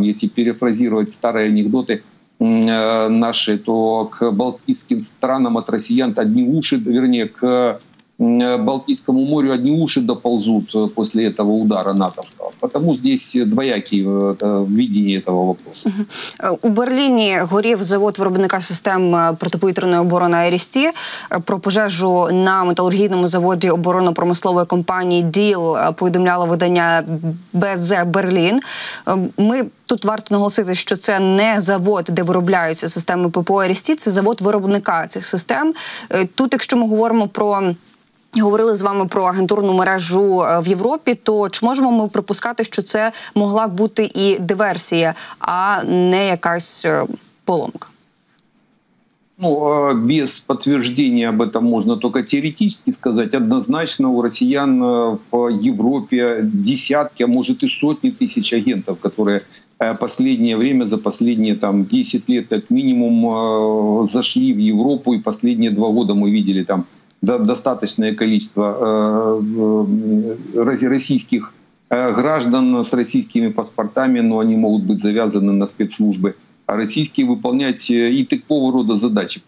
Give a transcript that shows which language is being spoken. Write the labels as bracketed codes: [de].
[ru] Если перефразировать старые анекдоты наши, то к балтийским странам от россиян одни уши, вернее, к Балтийскому морю одни уши доползут после этого удара натовского. Потому здесь двоякие видения этого вопроса. [uk] У Берліні горів завод виробника систем протиповітряної оборони «Арісті». Про пожежу на металургійному заводі оборонно-промислової компанії «Діл» повідомляло видання «БЗ Берлін». Ми тут варто наголосити, що це не завод, де виробляються системи ППО «Арісті», це завод виробника цих систем. Тут, якщо ми говоримо про... Говорили з вами про агентурну мережу в Європі, то чи можемо ми припускати, що це могла бути і диверсія, а не якась поломка? Ну, без підтвердження [ru] об этом [uk] можна тільки теоретично сказати. Однозначно у росіян в Європі десятки, а може і сотні тисяч агентів, які [ru] последнее время, за последние там 10 лет как минимум зашли в Європу, і последние 2 года ми видели там достаточное количество российских граждан с российскими паспортами, но они могут быть завязаны на спецслужбы, а российские выполнять и такого рода задачи.